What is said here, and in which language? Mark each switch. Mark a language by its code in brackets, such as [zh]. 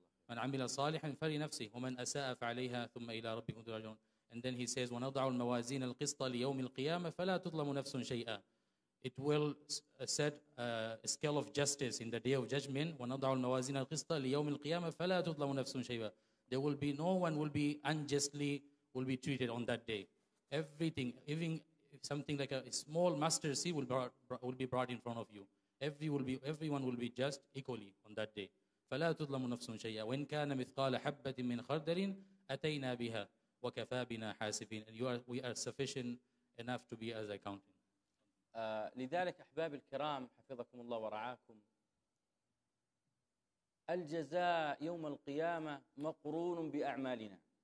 [ar] من عمل صالحا فلنفسه ومن أساء فعليها ثم إلى ربكم ترجعون. [en] And then he says, [ar] ونضع الموازين القسط ليوم القيامة فلا تظلم نفس شيئا. [en] It will set a scale of justice in the day of judgment. [ar] ونضع الموازين القسط ليوم القيامة فلا تظلم نفس شيئا. [en] There will be no one will be unjustly will be treated on that day. Everything, even something like a small mustard seed will be brought in front of you. Everyone will be just equally on that day. [ar] فلا تظلم نفس شيئا وإن كان مثقال حبة من خردل أتينا بها وكفى بنا حاسبين. [en] And we are sufficient enough to be as accounting. [ar] لذلك أحباب الكرام حفظكم الله ورعاكم, الجزاء يوم القيامة مقرون بأعمالنا.